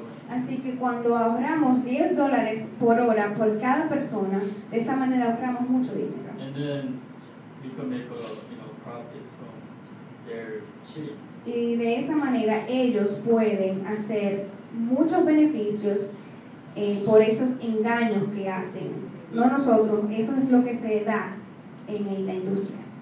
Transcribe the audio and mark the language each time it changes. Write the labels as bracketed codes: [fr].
[es] Así que cuando ahorramos $10 por hora por cada persona, de esa manera ahorramos mucho dinero. [en] And then we can make a, you know, profit from their cheating. [es] Y de esa manera ellos pueden hacer muchos beneficios por esos engaños que hacen. No nosotros, eso es lo que se da en la industria.